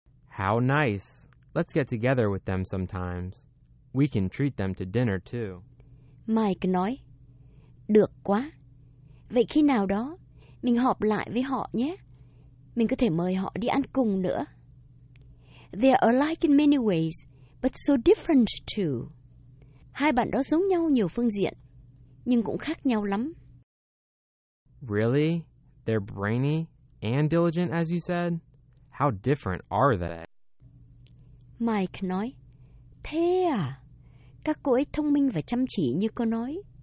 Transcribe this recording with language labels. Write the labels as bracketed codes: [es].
[en] How nice. Let's get together with them sometimes. We can treat them to dinner too. [vi] Mike nói, được quá. Vậy khi nào đó, mình họp lại với họ nhé. Mình có thể mời họ đi ăn cùng nữa. [en] They are alike in many ways, but so different too. [vi] Hai bạn đó giống nhau nhiều phương diện, nhưng cũng khác nhau lắm. [en] Really? They're brainy and diligent, as you said? How different are they? [vi] Mike nói, thế à? Các cô ấy thông minh và chăm chỉ như cô nói.